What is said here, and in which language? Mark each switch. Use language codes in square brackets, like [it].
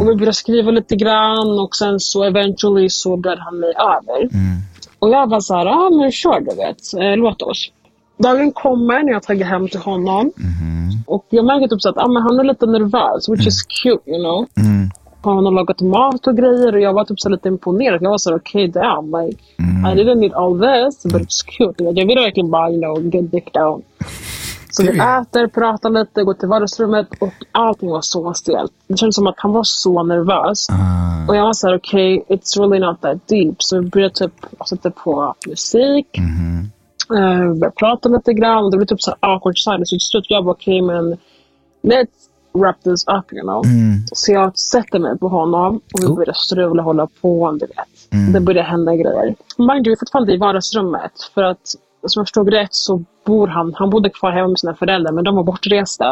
[sv] Och vi började skriva lite grann, och sen så eventually så bröd han mig över. Mm. Och jag var såhär, ja men kör du vet, låt oss. Dagen kommer när jag tagit hem till honom. Mm-hmm. Och jag märker typ såhär, men han är lite nervös, [en] which is cute, you know. Mm. [sv] Han har lagat mat och grejer och jag var typ såhär lite imponerad. Jag var såhär, [en] okay, damn, like, I didn't need all this, but it's cute. [sv] Jag vill verkligen bara, [en] you know, get dick down. [sv] Så vi äter, pratar lite, går till vardagsrummet och allting var så stelt. Det kändes som att han var så nervös. Och jag var såhär, okej, [en] okay, it's really not that deep. [sv] Så vi började typ sätta på musik. Mm-hmm. Började prata lite grann. Det blev typ såhär [en] awkward silence. [sv] Så till slut jag bara, okej, men [en] let's wrap this up, you know. Mm. [sv] Så jag sätter mig på honom och vi började strula och hålla på, du vet. Mm. Det började hända grejer. [en] Mind you, [sv] fortfarande i vardagsrummet. För att, som jag förstod rätt, så bor han bodde kvar hemma med sina föräldrar, men de var bortresta.